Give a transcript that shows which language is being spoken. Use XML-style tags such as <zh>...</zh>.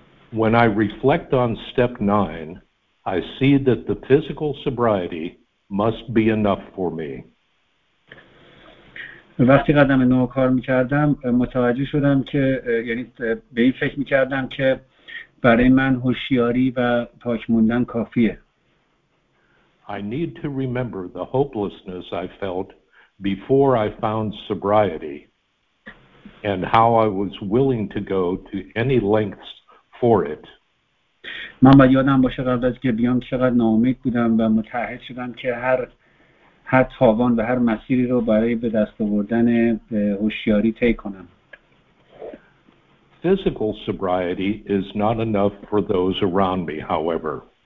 <en>When I reflect on step 9, I see that the physical sobriety must be enough for me.</en> <fa>وقتی قدم نو کار می‌کردم متوجه شدم که یعنی به این فکر می‌کردم که برای من هوشیاری و پاک موندن کافیه.</fa> <en>I need to remember the hopelessness I felt before I found sobriety and how I was willing to go to any lengths for it.</en> <fa>من باید یادم باشه قبل از که بیام چقدر ناامید بودم و متعهد شدم که هر تاوان و هر مسیری رو برای به دست آوردن هوشیاری طی کنم.</fa> <en>Physical sobriety is not enough for those around me, however.</en>